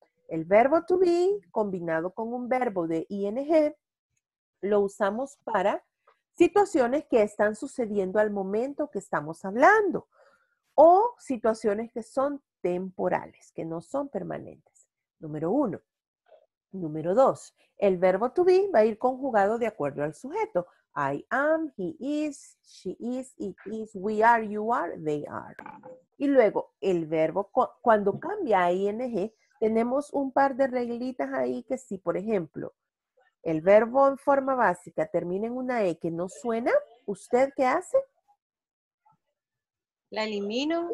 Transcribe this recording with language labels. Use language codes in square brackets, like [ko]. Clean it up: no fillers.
[es] El verbo to be combinado con un verbo de ing lo usamos para situaciones que están sucediendo al momento que estamos hablando o situaciones que son temporales, que no son permanentes. Número uno. Número dos. El verbo to be va a ir conjugado de acuerdo al sujeto. [en] I am, he is, she is, it is, we are, you are, they are. [es] Y luego el verbo cuando cambia a ing, tenemos un par de reglitas ahí que si, por ejemplo, el verbo en forma básica termina en una E que no suena, ¿usted qué hace? La elimino.